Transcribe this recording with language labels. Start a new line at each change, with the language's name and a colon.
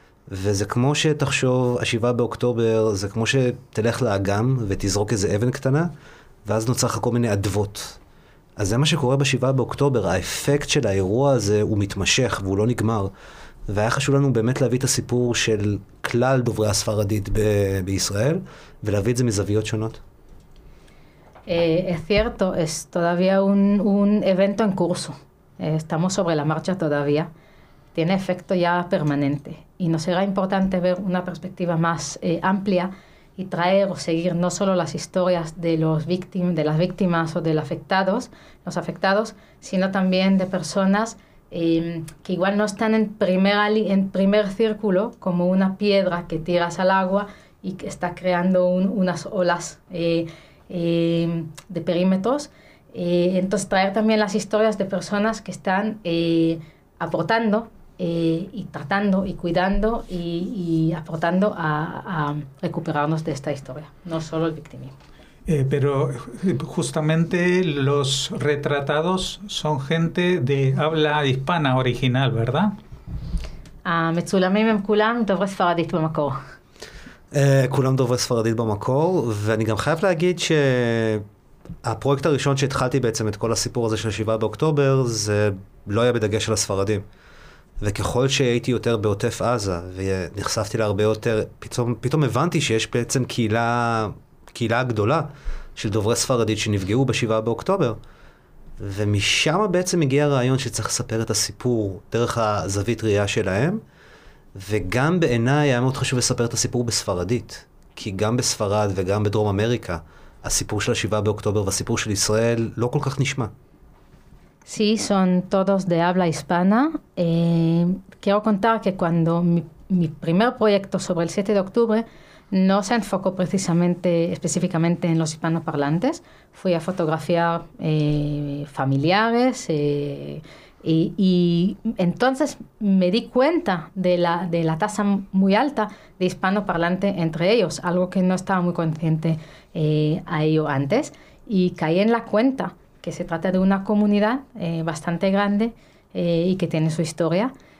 Hebrew: וזה כמו שתחשוב, השבעה באוקטובר, זה כמו שתלך לאגם ותזרוק איזה אבן קטנה, ואז נוצר לך כל מיני אדוות. אז זה מה שקורה בשבעה באוקטובר, האפקט של האירוע הזה הוא מתמשך והוא לא נגמר. והיה חשוב לנו באמת להביא את הסיפור של כלל דוברי הספרדית בישראל, ולהביא את זה מזוויות שונות.
Spanish: Es cierto, es todavía un evento en curso. Estamos sobre la marcha todavía. Tiene efecto ya permanente. Y nos será importante ver una perspectiva más amplia y traer o seguir no solo las historias de los víctimas, de las víctimas o de los afectados, sino también de personas que igual no están en primer círculo, como una piedra que tiras al agua y que está creando unas olas de perímetros. Entonces traer también las historias de personas que están aportando y tratando y cuidando y aportando a recuperarnos de esta historia, no solo el victimismo. Pero justamente los retratados son gente de habla hispana original, ¿verdad?
Hebrew: המצולמים הם כולם דוברי ספרדית במקור. כולם דוברי ספרדית במקור, ואני גם חייב להגיד שהפרויקט הראשון שהתחלתי בעצם את כל הסיפור הזה של 7 באוקטובר, זה לא היה בדגש על הספרדים. וככל שהייתי יותר בעוטף עזה, ונחשפתי לה הרבה יותר, פתאום הבנתי שיש בעצם קהילה גדולה של דוברי ספרדית שנפגעו בשבעה באוקטובר, ומשם בעצם הגיע הרעיון שצריך לספר את הסיפור דרך הזווית ראייה שלהם, וגם בעיניי היה מאוד חשוב לספר את הסיפור בספרדית, כי גם בספרד וגם בדרום אמריקה, הסיפור של השבעה באוקטובר והסיפור של ישראל לא כל כך נשמע.
Spanish: Sí, son todos de habla hispana. Quiero contar que cuando mi primer proyecto sobre el 7 de octubre no se enfocó precisamente, específicamente en los hispanoparlantes, fui a fotografiar familiares y entonces me di cuenta de la tasa muy alta de hispanoparlante entre ellos, algo que no estaba muy consciente a ello antes, y caí en la cuenta que se trata de una comunidad bastante grande y que tiene su historia.